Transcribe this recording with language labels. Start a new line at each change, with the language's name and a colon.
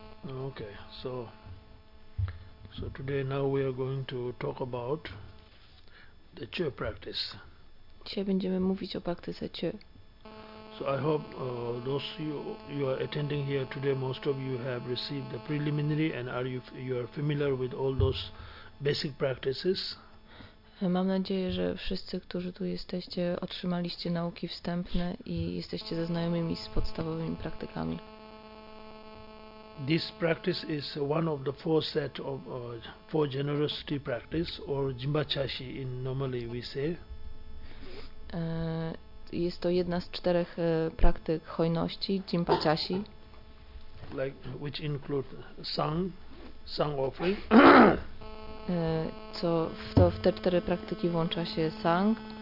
English: Okay, so today now we are going to talk about the Chö practice.
Polish: Dzisiaj będziemy mówić o praktyce Chö.
English: So I hope those you are attending here today, most of you have received the preliminary and you are familiar with all those basic practices.
Polish: Mam nadzieję, że wszyscy, którzy tu jesteście, otrzymaliście nauki wstępne i jesteście zaznajomieni z podstawowymi praktykami.
English: This practice is one of the four set of four generosity practice, or jimbachashi in normally we say.
Polish: Jest to jedna z czterech praktyk hojności, jimbachashi.
English: Like which include sang offering.
Polish: Co w te cztery praktyki włącza się sang,